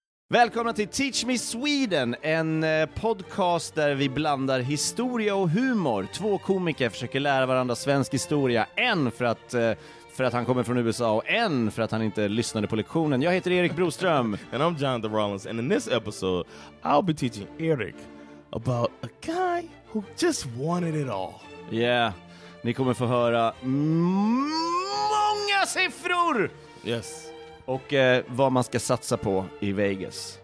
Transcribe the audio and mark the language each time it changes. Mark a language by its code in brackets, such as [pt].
[sv] Välkomna till Teach Me Sweden, en podcast där vi blandar historia och humor. Två komiker försöker lära varandra svensk historia, en för att han kommer från USA och en för att han inte lyssnade på lektionen. Jag heter Erik Broström. [en] And I'm John the Rollins, and in this episode I'll be teaching Erik about a guy who just wanted it all. [sv] Yeah, ni kommer få höra många siffror! [en] Yes. [sv] Och vad man ska satsa på i Vegas.